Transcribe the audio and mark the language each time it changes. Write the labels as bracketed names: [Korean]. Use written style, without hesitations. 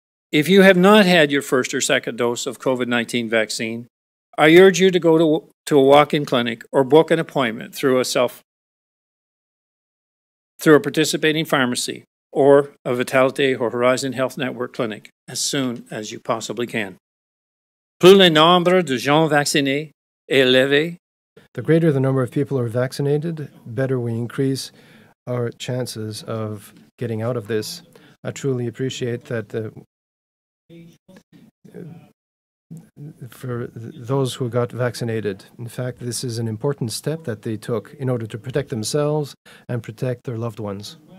[English] If you have not had your first or second dose of COVID-19 vaccine, I urge you to go to a walk-in clinic or book an appointment through a participating pharmacy or a Vitality or Horizon Health Network clinic as soon as you possibly can. [French] Plus le nombre de gens vaccinés est élevé. [English] The greater the number of people are vaccinated, better we increase our chances of getting out of this. I truly appreciate that for those who got vaccinated. In fact, this is an important step that they took in order to protect themselves and protect their loved ones.